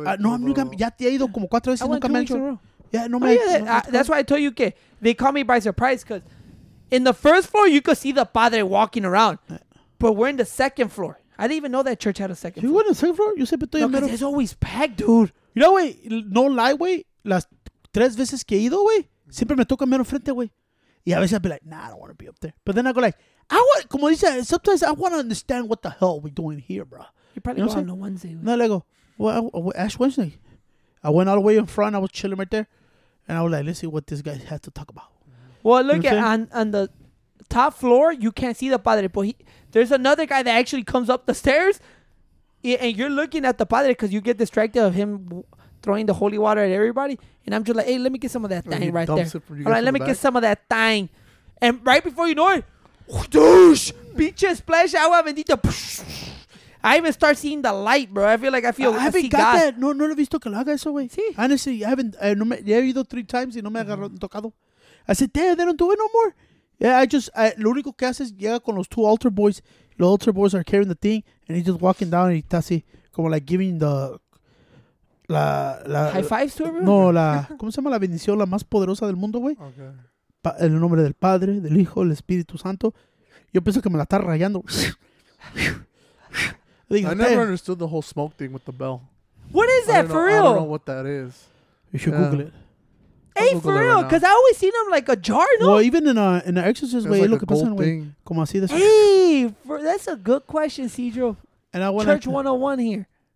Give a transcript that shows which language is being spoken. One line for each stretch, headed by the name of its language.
Spanish: No,
English: I'm
Spanish: nunca. Ya te he ido como cuatro veces.
English: I went 2 weeks in a row. Yeah, no, oh, me. Yeah, that's why I told you que they caught me by surprise because in the first floor, you could see the padre walking around. But we're in the second floor. I didn't even know that church had a second floor. You went in the second floor? You said, but no, because it's always packed, dude. You know, wey, no lie, wey.
Spanish: Las tres veces que he ido, wey, siempre me toca mero frente, wey. Y a veces
English: I'd be like, nah, I don't want to be up there. But then I go, like, I want,
Spanish: como dice,
English: sometimes I want to understand what the hell we're doing here, bro. You probably you know go on a Wednesday. No, I go. Well, Ash Wednesday, I went all the way in front. I was chilling right there. And I was like, let's see what this guy has to talk about. Well, look, you know at on the top floor, you can't see the padre. But there's another guy that actually comes up the stairs. And you're looking at the padre because you get distracted of him throwing the holy water at everybody. And I'm just like, hey, let me get some of that thing right there. All right, let me get some of that thing. And right before you know it, douche,
Spanish: pinche
English: splash,
Spanish: agua bendita.
English: I even start seeing the light, bro. I feel like I haven't got God. That.
Spanish: No, no lo he visto que lo haga eso, güey. Sí.
English: Honestly, I haven't.
Spanish: No me, ya he ido
English: 3 times
Spanish: y no me agarró tocado.
English: I said, damn, they don't do it no more.
Spanish: Yeah, lo único que hace es llega con los 2
English: altar boys. The altar boys are carrying the thing and he's just walking down and he's
Spanish: así, como
English: like giving the.
Spanish: La
English: high fives to everyone?
Spanish: No, la. ¿Cómo se llama la bendición? La más poderosa del mundo, güey. Okay. En el nombre del Padre, del Hijo, del Espíritu Santo. Yo pienso que me la está rayando.
English: I never understood the whole smoke thing with the bell. What is that, for real? I don't know what that is. You should Google it. Hey, Google for real, because right I always seen them like a jar, no? Well, even in an exorcist way, like look at this way.
Spanish: Como así,
English: this hey, that's a good question, Cedro. And I went Church like, 101 here.